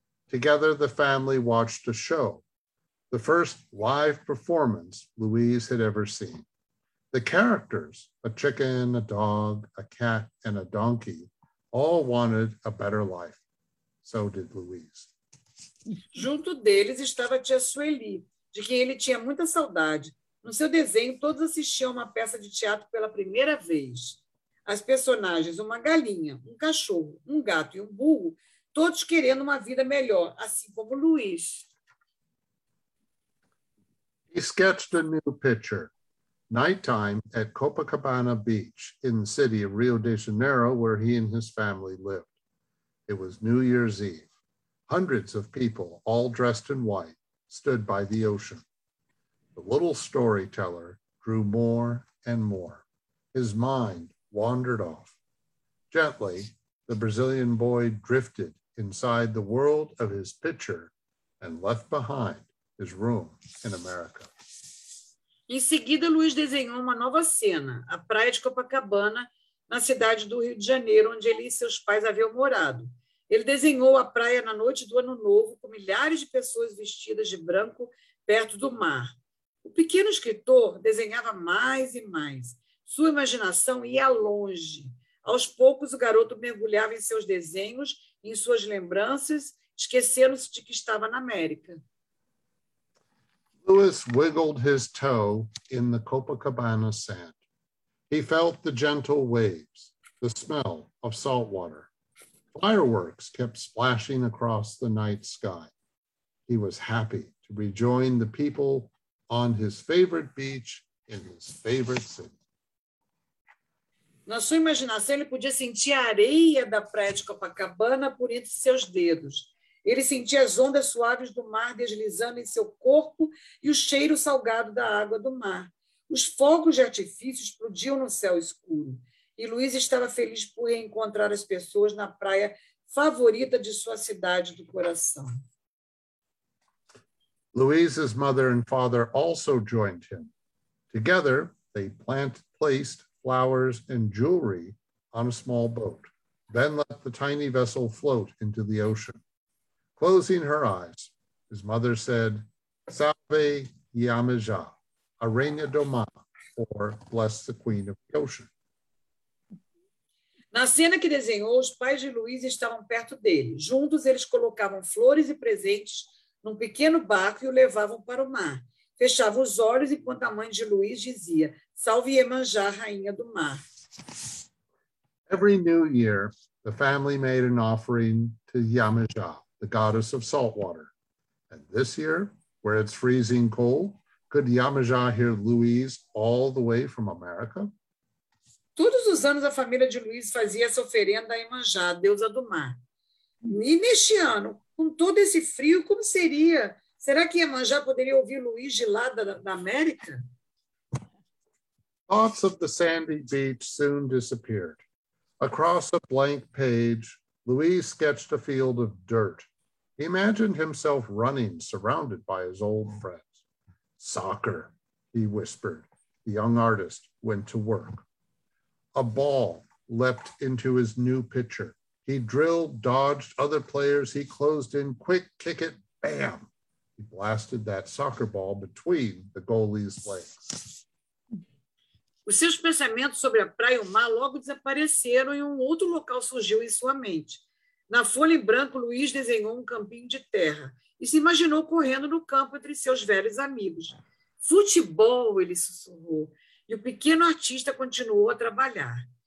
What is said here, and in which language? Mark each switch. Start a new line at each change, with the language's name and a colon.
English: Together, the family watched a show, the first live performance Louise had ever seen. The characters, a chicken, a dog, a cat, and a donkey, all wanted a better life. So did Louise.
Portuguese: Junto deles estava Tia Sueli, de quem ele tinha muita saudade. No seu desenho, todos assistiam a uma peça de teatro pela primeira vez. As personagens, uma galinha, um cachorro, um gato e um burro, todos querendo uma vida melhor, assim como Luiz.
English: He sketched a new picture. Nighttime at Copacabana Beach in the city of Rio de Janeiro, where he and his family lived. It was New Year's Eve. Hundreds of people, all dressed in white, stood by the ocean. The little storyteller grew more and more. His mind wandered off. Gently, the Brazilian boy drifted inside the world of his picture and left behind his room in America.
Portuguese: Em seguida, Luiz desenhou uma nova cena, a praia de Copacabana, na cidade do Rio de Janeiro, onde ele e seus pais haviam morado. Ele desenhou a praia na noite do Ano Novo, com milhares de pessoas vestidas de branco perto do mar. O pequeno escritor desenhava mais e mais. Sua imaginação ia longe. Aos poucos, o garoto mergulhava em seus desenhos, em suas lembranças, esquecendo-se de que estava na América.
English: Louis wiggled his toe in the Copacabana sand. He felt the gentle waves, the smell of salt water. Fireworks kept splashing across the night sky. He was happy to rejoin the people on his favorite beach in his favorite city.
Portuguese: Na sua imaginação, ele podia sentir a areia da praia de Copacabana por entre seus dedos. Ele sentia as ondas suaves do mar deslizando em seu corpo e o cheiro salgado da água do mar. Os fogos de artifício explodiam no céu escuro. E Luiz estava feliz por reencontrar as pessoas na praia favorita de sua cidade do coração.
English: Luiz's mother and father also joined him. Together, they placed flowers and jewelry on a small boat, then let the tiny vessel float into the ocean. Closing her eyes, his mother said,
Portuguese: Salve Yamajá, a Rainha do Mar,
English: or Bless the Queen of the Ocean.
Portuguese: Na cena que desenhou, os pais de Luiz estavam perto dele. Juntos, eles colocavam flores e presentes num pequeno barco e o levavam para o mar. Fechavam os olhos enquanto a mãe de Luiz dizia, Salve Iemanjá, Rainha do Mar.
English: Every new year, the family made an offering to Iemanjá, the goddess of salt water. And this year, where it's freezing cold, could Iemanjá hear Luiz all the way from America?
Portuguese: Todos os anos, a família de Luiz fazia essa oferenda a Iemanjá, deusa do mar. E neste ano, com todo esse frio, como seria? Será que Iemanjá poderia ouvir Luiz de lá da América?
English: Thoughts of the sandy beach soon disappeared. Across a blank page, Louis sketched a field of dirt. He imagined himself running, surrounded by his old friends. "Soccer," he whispered. The young artist went to work. A ball leapt into his new pitcher. He drilled, dodged other players. He closed in, quick, kick it, bam. He blasted that soccer ball between the goalie's legs.
Portuguese: Os seus pensamentos sobre a praia e o mar logo desapareceram e um outro local surgiu em sua mente. Na folha em branco, Luiz desenhou um campinho de terra e se imaginou correndo no campo entre seus velhos amigos. "Futebol!" ele sussurrou. E o pequeno artista continuou a trabalhar.